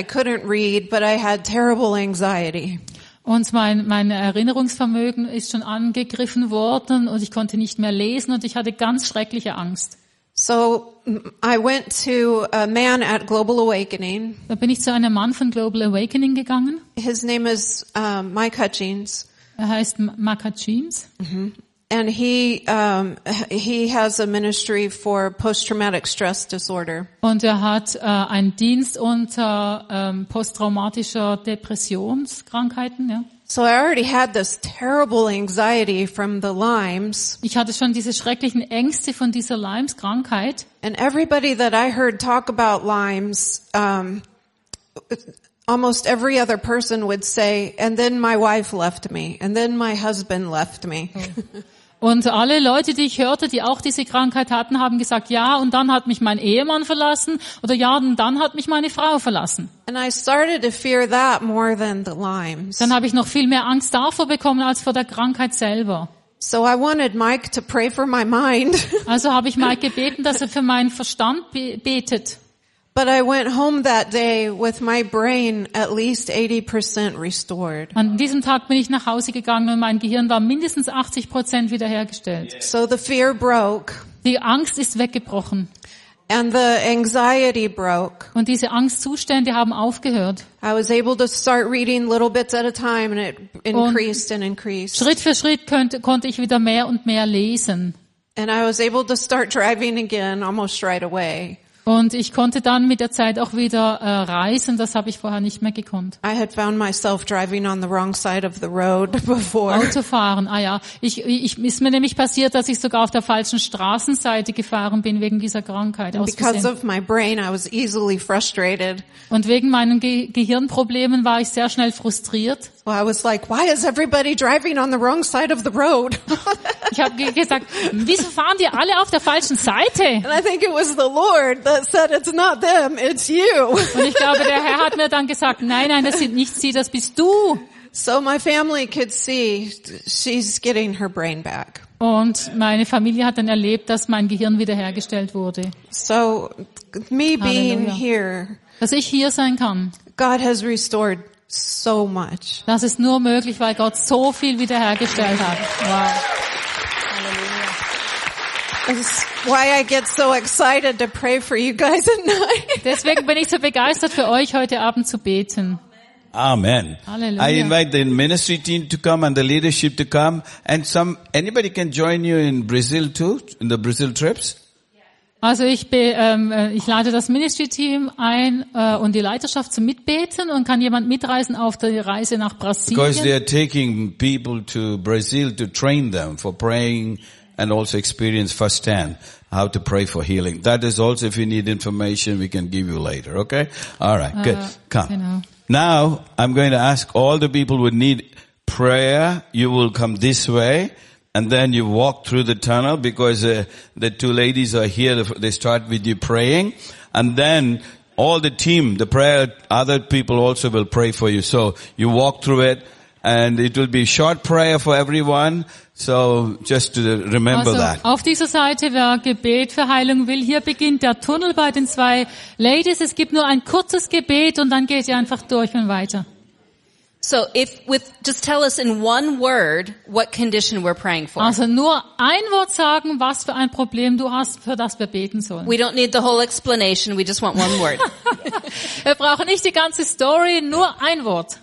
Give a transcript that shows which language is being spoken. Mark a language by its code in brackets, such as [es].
[en] I couldn't read, but I had terrible anxiety. [de] Und mein Erinnerungsvermögen ist schon angegriffen worden und ich konnte nicht mehr lesen und ich hatte ganz schreckliche Angst. [en] So I went to a man at Global Awakening. [de] Da bin ich zu einem Mann von Global Awakening gegangen. [en] His name is Mike Hutchins. [de] Er heißt Mike Hutchins. Mm-hmm. [en] And he has a ministry for post-traumatic stress disorder. [de] Und er hat einen Dienst unter posttraumatischer Depressionskrankheiten, ja. [en] So I already had this terrible anxiety from the Lymes. [de] Ich hatte schon diese schrecklichen Ängste von dieser Lymes-Krankheit. [en] And everybody that I heard talk about Lymes, almost every other person would say, and then my wife left me, and then my husband left me. [de] Und alle Leute, die ich hörte, die auch diese Krankheit hatten, haben gesagt, ja, und dann hat mich mein Ehemann verlassen, oder ja, und dann hat mich meine Frau verlassen. [en] And I started to fear that more than the Lymes. [de] Dann habe ich noch viel mehr Angst davor bekommen, als vor der Krankheit selber. [en] So I wanted Mike to pray for my mind. [de] Also habe ich Mike gebeten, dass er für meinen Verstand betet. [en] But I went home that day with my brain at least 80% restored. [de] An diesem Tag bin ich nach Hause gegangen und mein Gehirn war mindestens 80% wiederhergestellt. [en] So the fear broke. [de] Die Angst ist weggebrochen. [en] And the anxiety broke. [de] Und diese Angstzustände haben aufgehört. [en] I was able to start reading little bits at a time and it increased and increased. [de] Schritt für Schritt konnte ich wieder mehr und mehr lesen. [en] And I was able to start driving again almost right away. [de] Und ich konnte dann mit der Zeit auch wieder reisen, das habe ich vorher nicht mehr gekonnt. [en] I had found myself driving on the wrong side of the road before. [de] Autofahren, ah ja. Ich ist mir nämlich passiert, dass ich sogar auf der falschen Straßenseite gefahren bin wegen dieser Krankheit. [en] Because of my brain, I was easily frustrated. [de] Und wegen meinen Gehirnproblemen war ich sehr schnell frustriert. [en] Well, I was like, why is everybody driving on the wrong side of the road? [de] Ich habe gesagt, wieso fahren die alle auf der falschen Seite? [en] And I think it was the Lord that said, it's not them, it's you. [de] Und ich glaube, der Herr hat mir dann gesagt, nein, das sind nicht sie, das bist du. [en] So my family could see she's getting her brain back. [de] Und meine Familie hat dann erlebt, dass mein Gehirn wiederhergestellt wurde. [en] So me being [de] Halleluja. [en] Here. [de] Dass ich hier sein kann. [en] God has restored so much. [de] Das ist nur möglich, weil Gott so viel wiederhergestellt hat. [en] Wow. That's why I get so excited to pray for you guys at night. [de] Deswegen bin ich so begeistert für euch heute Abend zu beten. Amen. Halleluja. [en] I invite the ministry team to come and the leadership to come and anybody can join you in Brazil too, in the Brazil trips. [de] Also ich lade das Ministry Team ein und die Leiterschaft zum Mitbeten und kann jemand mitreisen auf die Reise nach Brasilien? [en] Because they are taking people to Brazil to train them for praying. And also experience firsthand how to pray for healing. That is also, if you need information, we can give you later. Okay? All right. Good. Come. Now, I'm going to ask all the people who need prayer, you will come this way. And then you walk through the tunnel because the two ladies are here. They start with you praying. And then all the team, the prayer, other people also will pray for you. So you walk through it. And it will be a short prayer for everyone. So just to remember also, that. [de] Auf dieser Seite, wer Gebet für Heilung will, hier beginnt der Tunnel bei den zwei Ladies. Es gibt nur ein kurzes Gebet und dann geht ihr einfach durch und weiter. [en] So if with just tell us in one word what condition we're praying for. [de] Also nur ein Wort sagen, was für ein Problem du hast, für das wir beten sollen. [en] We don't need the whole explanation, we just want one word. [de] Wir brauchen nicht die ganze Story, nur ein Wort.